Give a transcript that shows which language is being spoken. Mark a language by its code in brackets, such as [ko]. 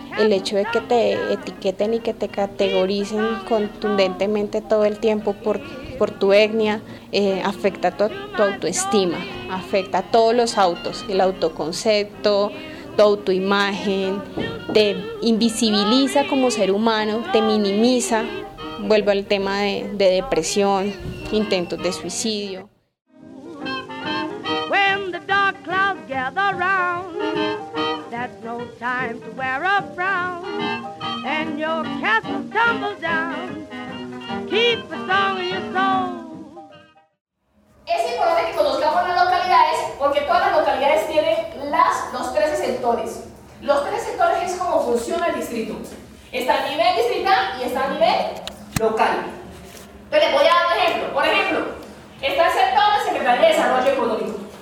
[es] El hecho de que te etiqueten y que te categoricen contundentemente todo el tiempo por tu etnia, afecta tu autoestima, afecta a todos los autos, el autoconcepto, tu autoimagen, te invisibiliza como ser humano, te minimiza. Vuelvo al tema de depresión, intentos de suicidio. [en] When the dark clouds gather round, that's no time to wear a frown, and your castle tumbles down. Keep the song in your soul. [es] Es importante que conozcamos las localidades porque todas las localidades tienen los 13 sectores. Los 13 sectores es como funciona el distrito. Está a nivel distrital y está a nivel local. Entonces les voy a dar un ejemplo. Por ejemplo, está el sector de Secretaría de Desarrollo Económico.